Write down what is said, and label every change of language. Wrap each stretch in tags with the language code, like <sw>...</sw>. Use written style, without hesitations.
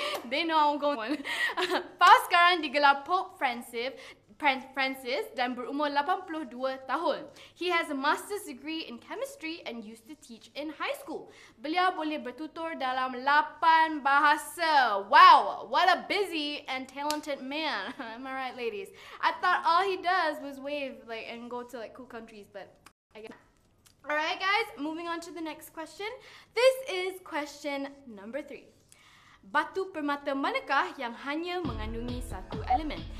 <en>They know I'm going one.</en> <ms>Paus sekarang digelar Pope Francis dan berumur 82 tahun.</ms> <en>He has a master's degree in chemistry and used to teach in high school.</en> <ms>Beliau boleh bertutur dalam 8 bahasa.</ms> <en>Wow, what a busy and talented man. Am I right, ladies? I thought all he does was wave like and go to like cool countries, but I guess. All right, guys, moving on to the next question. This is question number 3.</en> <ms>Batu permata manakah yang hanya mengandungi satu elemen?</ms>